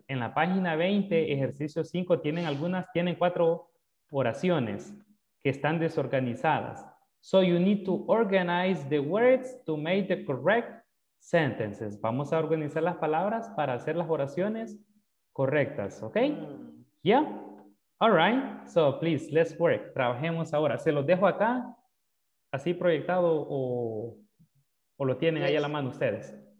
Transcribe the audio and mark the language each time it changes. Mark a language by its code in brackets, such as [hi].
[es] En la página 20, ejercicio 5, tienen cuatro oraciones que están desorganizadas. [en] So you need to organize the words to make the correct sentences. [es] Vamos a organizar las palabras para hacer las oraciones correctas, okay? [en] Yeah? All right. So please, let's work. [es] Trabajemos ahora. Se los dejo acá, así proyectado o lo tienen ahí a la mano ustedes.